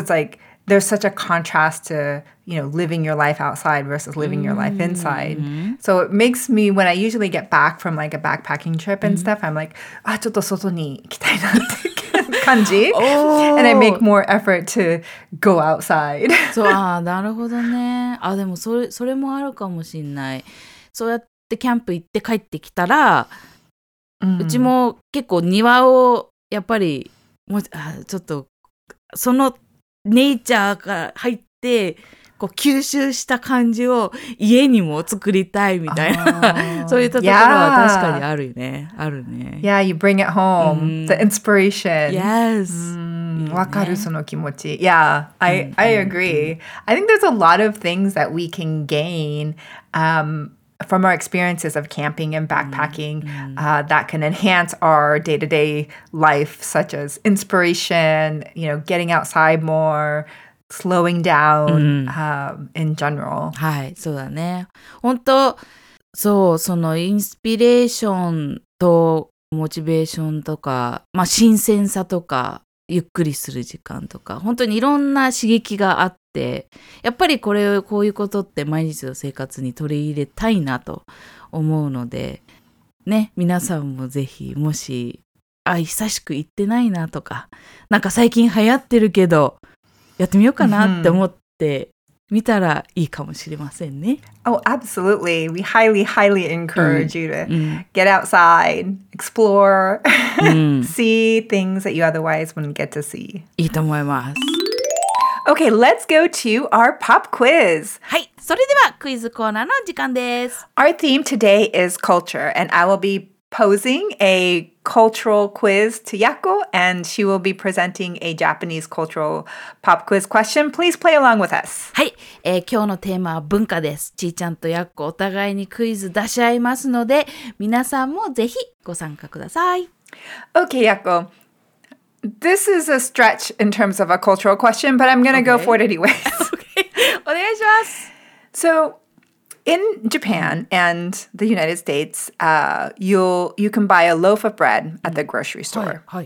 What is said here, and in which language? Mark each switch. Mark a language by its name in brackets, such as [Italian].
[English] it's like, there's such a contrast to, you know, living your life outside versus living、mm-hmm. your life inside. So it makes me, when I usually get back from like a backpacking trip and、mm-hmm. stuff, I'm like, ah, [Japanese] ちょっと外に行きたいなって感じ。 oh. [English] And I make more effort to go outside. [Japanese] そう、ああ、なるほどね。あ、でもそれもあるかもしれない。そうやってキャンプ行って帰ってきたら、うちも結構庭をやっぱりもうちょっとそのネイチャーから入ってこう吸収した感じを家にも作りたいみたいな、そういったところは確かにあるよね、 [English] yeah. [Japanese] あるね。 [English] Yeah, you bring it home,、うん、the inspiration. Yes. [Japanese] わかるその気持ち。 [English] Yeah, I agree. I think there's a lot of things that we can gain. From our experiences of camping and backpacking, mm-hmm. That can enhance our day-to-day life, such as inspiration, you know, getting outside more, slowing down、mm-hmm. In general. [Japanese] はい、そうだね。本当、そう、そのインスピレーションとモチベーションとか、まあ、新鮮さとか、ゆっくりする時間とか、本当にいろんな刺激があって、やっぱりこれこういうことって毎日の生活に取り入れたいなと思うのでね、皆さんもぜひもし、あ、久しく行ってないなとか、なんか最近流行ってるけどやってみようかなって思って見たらいいかもしれませんね。 [English] Oh, absolutely. We highly, highly encourage you to get outside, explore, see things that you otherwise wouldn't get to see. [Japanese] いいと思います。 [English] Okay, let's go to our pop quiz. [Japanese] はい、それではクイズコーナーの時間です。 [English] Our theme today is culture, and I will be posing a cultural quiz to Yako, and she will be presenting a Japanese cultural pop quiz question. Please play along with us. [Japanese] はい、今日のテーマは文化です。ちーちゃんとやっこ、お互いにクイズ出し合いますので、皆さんもぜひご参加ください。 [English] Okay, Yako. This is a stretch in terms of a cultural question, but I'm going to go for it anyways. [Japanese] Okay. お願いします。 [English] So, in Japan and the United States, you can buy a loaf of bread at the grocery store.